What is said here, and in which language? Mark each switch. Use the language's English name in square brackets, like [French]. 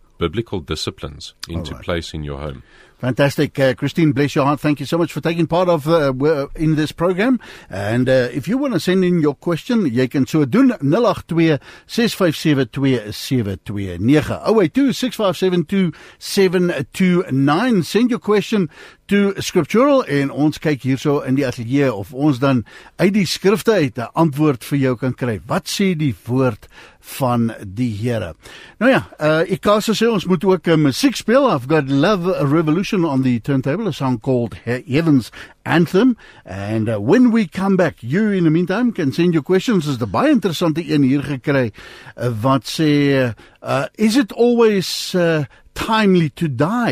[English] biblical disciplines into place in your home. Fantastic. Christine, bless your heart. Thank you so much for taking part of in this program. And if you want to send in your question, you can [Afrikaans] so doen [English] 082-657-2729. 082-657-2729. Send your question to Scriptural [Afrikaans] en ons kyk hierso in die atelier of ons dan uit die skrifte uit 'n antwoord vir jou kan kry. Wat sê die woord van die Here? Nou ja, Ikasa sê ons moet ook musiek speel. [English] I've got Love Revolution on the turntable, a song called Heaven's Anthem. And when we come back, you in the meantime can send your questions. [Afrikaans] Is the baie interessante een hier gekry wat sê, [English] is it always timely to die?